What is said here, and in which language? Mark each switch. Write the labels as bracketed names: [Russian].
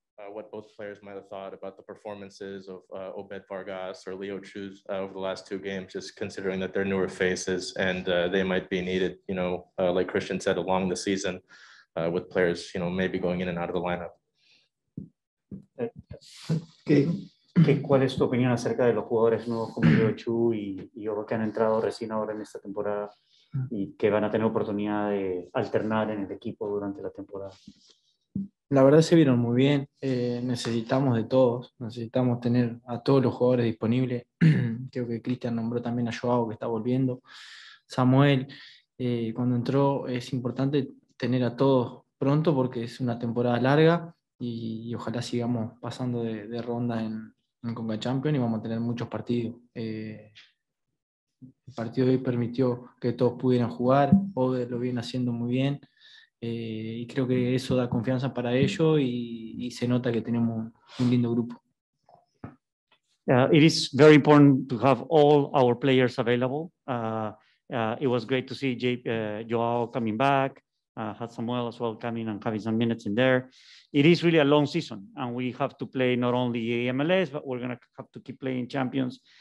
[English] What both players might have thought about the performances of Obed Vargas or Leo Chuz over the last two games, just considering that they're newer faces and they might be needed, you know, like Cristian said, along the season with players, you know, maybe going in and out of the lineup. [Spanish] ¿Qué, cuál es tu opinión acerca de los jugadores nuevos como Leo Chu y Obed que han entrado recién ahora en esta temporada y que van a tener oportunidad de alternar en el equipo durante la temporada? La verdad se vieron muy bien, necesitamos de todos, necesitamos tener a todos los jugadores disponibles. Creo que Cristian nombró también a Joao, que está volviendo. Samuel, cuando entró, es importante tener a todos pronto porque es una temporada larga y ojalá sigamos pasando de ronda en Conca Champions y vamos a tener muchos partidos. El partido de hoy permitió que todos pudieran jugar, Oder lo viene haciendo muy bien. Y creo que eso da confianza para ello y se nota que tenemos un lindo grupo. [English] It is very important to have all our players available. It was great to see Joao coming back, had Samuel as well coming and having some minutes in there. It is really a long season and we have to play not only MLS, but we're going to have to keep playing champions.